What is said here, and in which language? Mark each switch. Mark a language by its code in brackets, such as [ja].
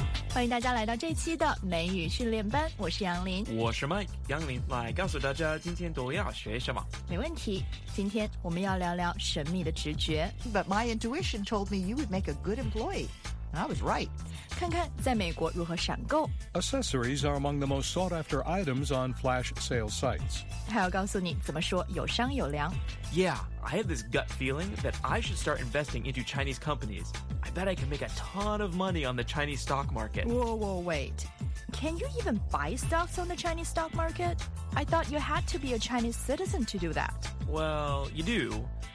[zh] 欢迎大家来到这期的美语训练班，我是杨林。我是 Mike， 杨林来告诉大家今天都要学什么。没问题，今天我们要聊聊神秘的直觉。 [en] But my intuition told me you would make a good employee. I was right. [zh] 看看在美国如何闪购。 [en] Accessories are among the most sought after items on flash sale sites. [zh] 还要告诉你怎么说有商有量。 [en] Yeah, I have this gut feeling that I should start investing into Chinese companies. I bet I can make a ton of money on the Chinese stock market. Whoa, whoa, wait. Can you even buy stocks on the Chinese stock market? I thought you had to be a Chinese citizen to do that. Well, you do.